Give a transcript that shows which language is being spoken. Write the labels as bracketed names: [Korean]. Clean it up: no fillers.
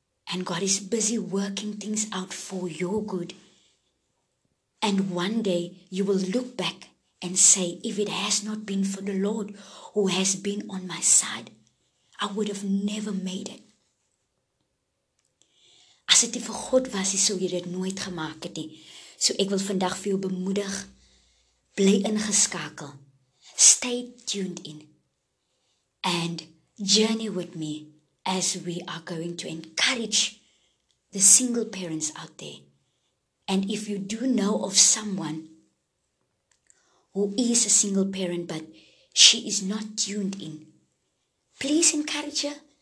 [English] And God is busy working things out for your good. And one day you will look back and say, if it has not been for the Lord who has been on my side, I would have never made it. [Afrikaans] As het vir God was, sou jy dit nooit gemaak het nie. So ek wil vandag vir jou bemoedig, bly ingeskakel, [English] stay tuned in, and journey with me as we are going to encourage the single parents out there. And if you do know of someone who is a single parent, but she is not tuned in, please encourage her.